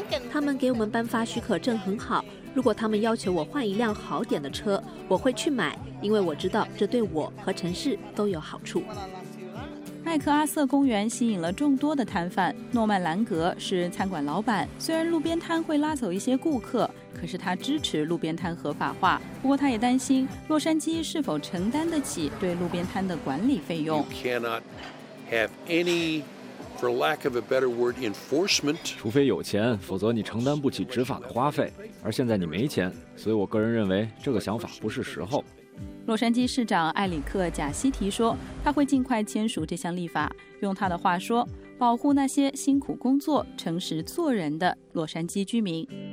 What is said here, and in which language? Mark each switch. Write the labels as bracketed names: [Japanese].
[Chinese] 他们给我们颁发许可证很好，如果他们要求我换一辆好点的车，我会去买，因为我知道这对我和城市都有好处。麦克阿瑟公园吸引了众多的摊贩，诺曼兰格是餐馆老板，虽然路边摊会拉走一些顾客，可是他支持路边摊合法化，不过他也担心洛杉矶是否承担得起对路边摊的管理费用。 [English] You cannot have any, for lack of a better word, enforcement. [Chinese] 除非有钱，否则你承担不起执法的花费，而现在你没钱，所以我个人认为这个想法不是时候。洛杉矶市长艾里克·贾西提说，他会尽快签署这项立法，用他的话说，保护那些辛苦工作、诚实做人的洛杉矶居民。